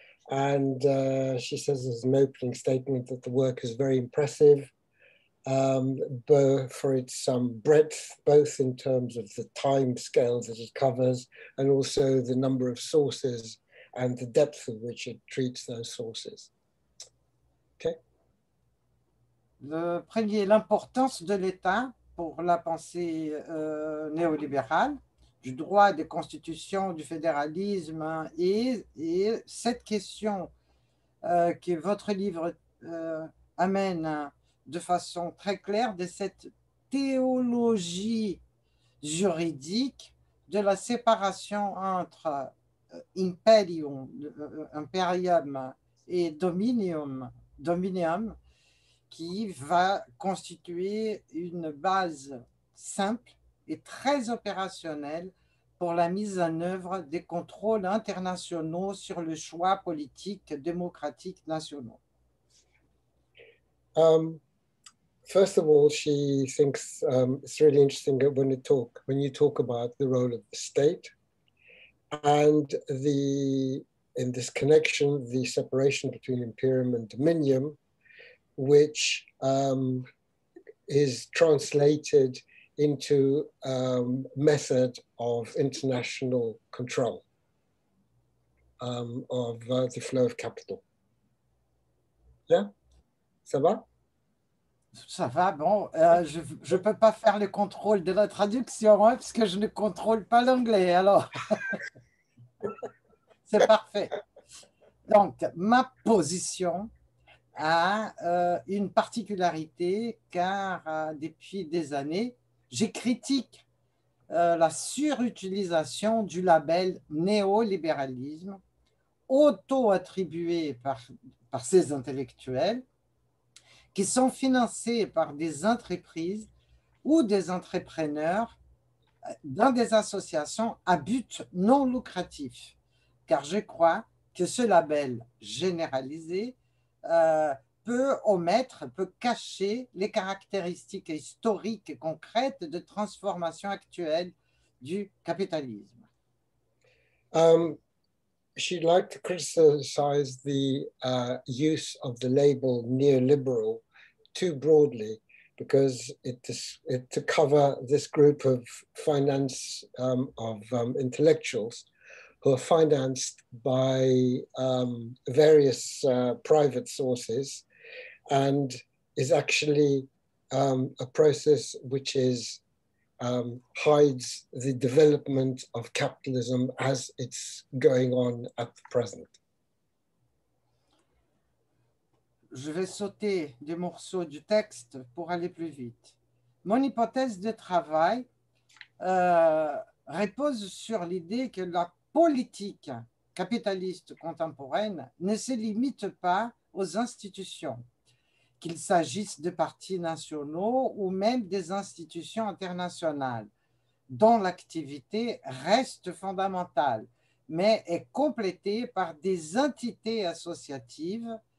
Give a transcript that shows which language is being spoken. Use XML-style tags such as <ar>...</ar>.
<en>And she says as an opening statement that the work is very impressive, for its breadth, both in terms of the time scales that it covers and also the number of sources and the depth of which it treats those sources. Okay.</en> <fr>Le premier, l'importance de l'État pour la pensée néolibérale, du droit des constitutions, du fédéralisme et cette question que votre livre amène de façon très claire de cette théologie juridique de la séparation entre imperium, imperium et dominium, qui va constituer une base simple et très opérationnelle pour la mise en œuvre des contrôles internationaux sur le choix politique démocratique national.</fr> <en>First of all, she thinks it's really interesting that when you talk about the role of the state and the separation between imperium and dominium, which is translated into method of international control of the flow of capital.</en> <fr>Yeah, ça va? Ça va, bon, je ne peux pas faire le contrôle de la traduction, hein, parce que je ne contrôle pas l'anglais, alors. C'est parfait. Donc, ma position a une particularité, car depuis des années, je critique la surutilisation du label néolibéralisme, auto-attribué par ces intellectuels, qui sont financés par des entreprises ou des entrepreneurs dans des associations à but non lucratif. Car je crois que ce label généralisé peut cacher les caractéristiques historiques et concrètes de transformation actuelle du capitalisme.</fr> <en>She'd like to criticize the use of the label neoliberal too broadly, because it to cover this group of finance intellectuals who are financed by various private sources, and is actually a process which is hides the development of capitalism as it's going on at the present.</en> <fr>Je vais sauter des morceaux du texte pour aller plus vite. Mon hypothèse de travail repose sur l'idée que la politique capitaliste contemporaine ne se limite pas aux institutions, qu'il s'agisse de partis nationaux ou même des institutions internationales, dont l'activité reste fondamentale, mais est complétée par des entités associatives,</fr>